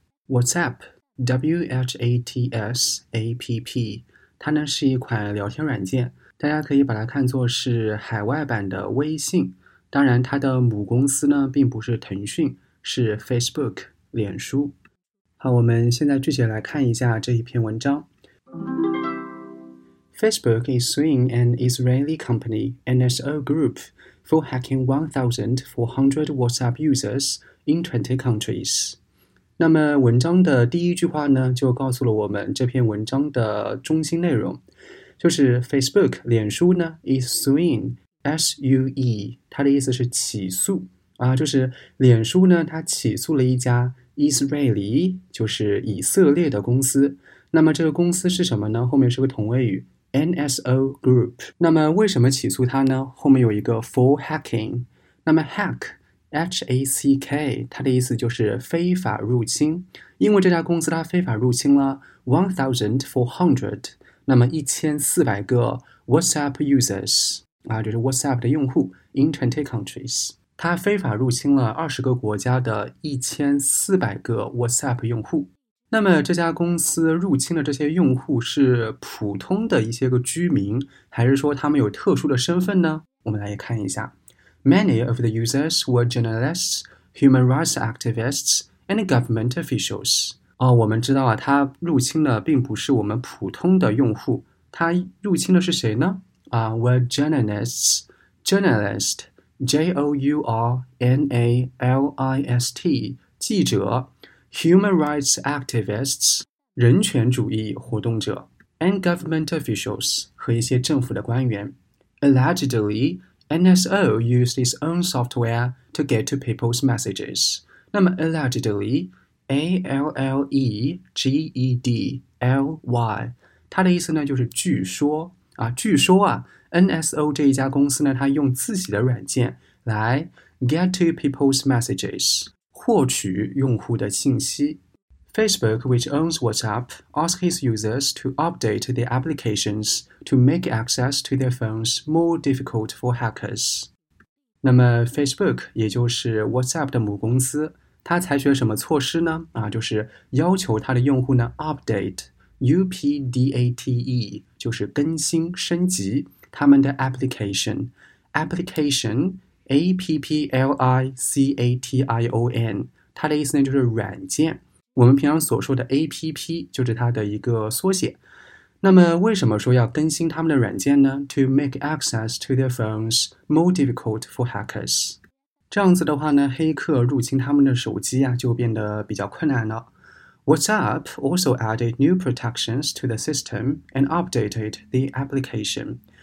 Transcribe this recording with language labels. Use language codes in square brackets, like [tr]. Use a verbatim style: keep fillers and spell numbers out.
[zh] WhatsApp W H A T S A P P， 它呢是一款聊天软件，大家可以把它看作是海外版的微信。当然，它的母公司呢并不是腾讯，是 Facebook 脸书。好，我们现在具体来看一下这一篇文章。 [en] Facebook is suing an Israeli company, N S O Group, for hacking one thousand four hundred WhatsApp users in twenty countries. [zh] 那么文章的第一句话呢，就告诉了我们这篇文章的中心内容，就是 Facebook 脸书呢 is suing。 S U E 它的意思是起诉啊，就是脸书呢它起诉了一家 Israeli 就是以色列的公司。那么这个公司是什么呢？后面是个同位语 N S O Group。那么为什么起诉它呢？后面有一个 for hacking。那么 hack H A C K 它的意思就是非法入侵，因为这家公司它非法入侵了 [en] one thousand four hundred， [zh] 那么一千四百个 WhatsApp users啊，就是 WhatsApp 的用户 [en] in twenty countries， [zh] 它非法入侵了二十个国家的一千四百个 WhatsApp 用户。那么这家公司入侵的这些用户是普通的一些个居民，还是说他们有特殊的身份呢？我们来看一下。 [en] Many of the users were journalists, human rights activists, and government officials。 [zh] 哦，我们知道啊，它入侵的并不是我们普通的用户，它入侵的是谁呢？ [en] Uh, were journalists, journalist, J O U R N A L I S T, 记者 human rights activists, [zh] 人权主义活动者 [en] and government officials, [zh] 和一些政府的官员。 [en] Allegedly, N S O used its own software to get to people's messages. [zh] 那么 allegedly, A L L E G E D L Y, 它的意思呢就是据说啊，据说啊 N S O 这一家公司呢，它用自己的软件来 [en] get to people's messages， [zh] 获取用户的信息。 [en] Facebook, which owns WhatsApp, asks its users to update their applications to make access to their phones more difficult for hackers. [zh] 那么 Facebook 也就是 WhatsApp 的母公司，它采取了什么措施呢？啊，就是要求它的用户呢 update U P D A T E 就是更新升级他们的 application application A P P L I C A T I O N， 它的意思呢就是软件，我们平常所说的 A P P 就是它的一个缩写。那么为什么说要更新他们的软件呢？ [en] To make access to their phones more difficult for hackers， [zh] 这样子的话呢，黑客入侵他们的手机啊，就变得比较困难了。 [en] WhatsApp also added new protections to the system and updated the application.